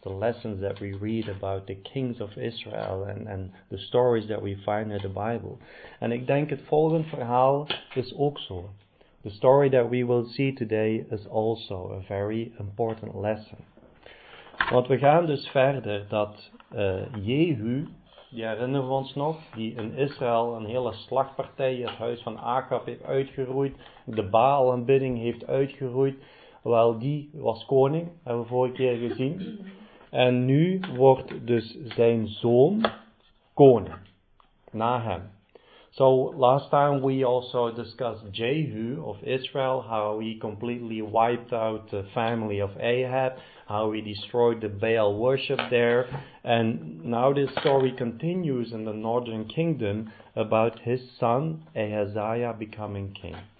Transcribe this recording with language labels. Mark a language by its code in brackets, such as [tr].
[en] The lessons that we read about the kings of Israel and the stories that we find in the Bible. [nl] En ik denk het volgende verhaal is ook zo. [en] The story that we will see today is also a very important lesson. [nl] Want we gaan dus verder dat Jehu, die herinneren we ons nog, die in Israël een hele slagpartij, het huis van Achab heeft uitgeroeid, de Baal-aanbidding heeft uitgeroeid, wel die was koning, hebben we vorige keer gezien. En nu wordt dus zijn zoon koning, na hem. [en] So last time we also discussed Jehu of Israel, how he completely wiped out the family of Ahab, how he destroyed the Baal worship there, and now this story continues in the northern kingdom about his son Ahaziah becoming king.